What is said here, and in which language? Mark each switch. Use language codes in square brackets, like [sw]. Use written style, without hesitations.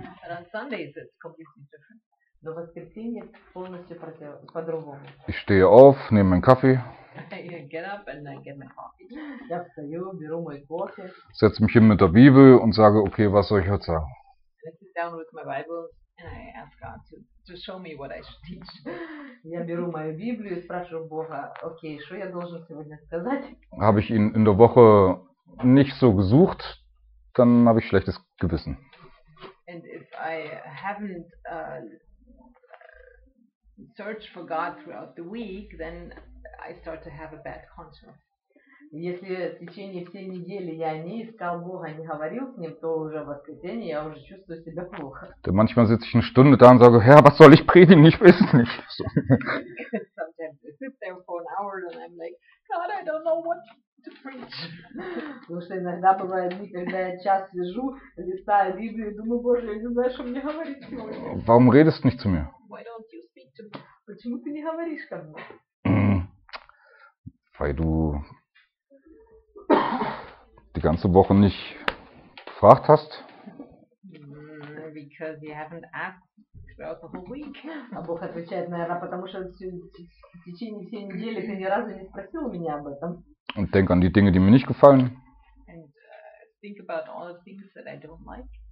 [en] But on Sundays it's completely different. [ru] Но в воскресенье полностью по-другому. [de] Ich stehe auf, nehme meinen Kaffee. [en] I get up and I get my coffee. [ru] Я встаю, беру мой кофе. [de] Setze mich hin mit der Bibel und sage, okay, was soll ich heute sagen? [en] I sit down with my Bible and I ask God to show me what I should teach. [ru] Я беру мою Библию и спрашиваю Бога, okay, что я должен сегодня сказать? [de] Habe ich ihn in der Woche nicht so gesucht, dann habe ich schlechtes Gewissen. [en] And if I haven't search for God throughout the week, then I start to have a bad conscience. [ru] Если в течение всей недели я не искал Бога, не говорил с ним, то уже в воскресенье я уже чувствую себя плохо. Да, [de] manchmal sitze ich eine Stunde da und sage, Herr, was soll ich predigen? Ich weiß es nicht. [en] Sometimes I sit there for an hour and I'm like, God, I don't know what to preach. [ru] Потому что иногда бывает дни, когда я час сижу, листаю Библию и думаю, Боже, я не знаю, что мне говорить сегодня. [de] Warum redest du nicht zu mir? [en] Why don't you speak to me? [ru] Почему ты не говоришь ко мне? [de] Weil du die ganze Woche nicht gefragt hast. [en] Because you haven't asked throughout the whole week. [ru] А Бог отвечает, наверное, потому что в течение всей недели ты ни разу не спросил меня об этом. [de] Und denk an die Dinge, die mir nicht gefallen. [en] And think about all the things that I don't like.